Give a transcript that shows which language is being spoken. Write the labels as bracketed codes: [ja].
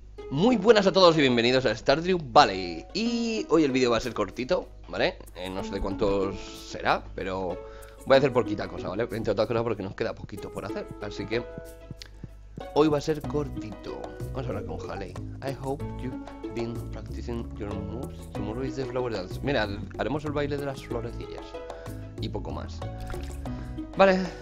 [es] Muy buenas a todos y bienvenidos a Stardew Valley. Y hoy el vídeo va a ser cortito, ¿vale? No sé de cuántos será, pero voy a hacer poquita cosa, ¿vale? Entre otras cosas porque nos queda poquito por hacer. Así que hoy va a ser cortito. Vamos a hablar con Haley. [en] I hope you've been practicing your moves. Tomorrow is the flower dance. [es] Mira, haremos el baile de las florecillas. Y poco más. Vale.